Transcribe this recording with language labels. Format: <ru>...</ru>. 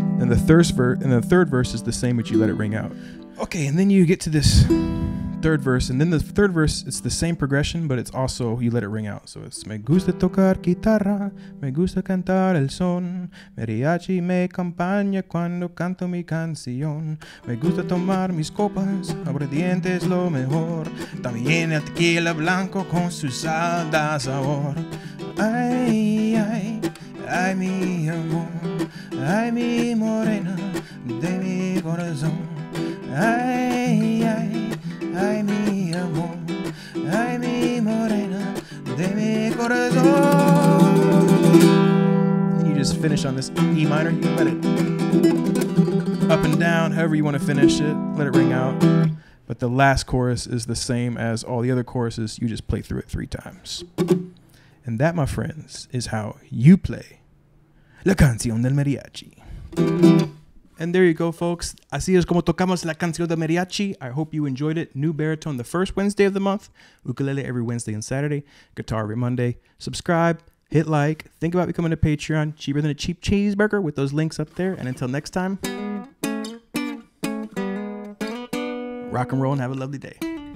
<en>Third verse is the same, but you let it ring out. Okay, and then you get to this third verse, and then the third verse, it's the same progression, but it's also, you let it ring out. So it's,</en> <es>me gusta tocar guitarra, me gusta cantar el son, mariachi me acompaña cuando canto mi canción, me gusta tomar mis copas, aguardiente es lo mejor, también el tequila blanco con su sal da sabor. Ay, ay, ay mi amor, ay mi morena, de mi corazón. Ay, ay, ay mi amor, ay mi morena, de mi corazón.</es> <en>And you just finish on this E minor, you let it up and down, however you want to finish it, let it ring out. but the last chorus is the same as all the other choruses. You just play through it three times. And that, my friends, is how you play La Canción del Mariachi. And there you go, folks.</en> <es>Así es como tocamos La Canción del Mariachi.</es> <en>I hope you enjoyed it. New baritone the first Wednesday of the month. Ukulele every Wednesday and Saturday. Guitar every Monday. Subscribe. Hit like. Think about becoming a Patreon. Cheaper than a cheap cheeseburger with those links up there. And until next time, rock and roll and have a lovely day.</en>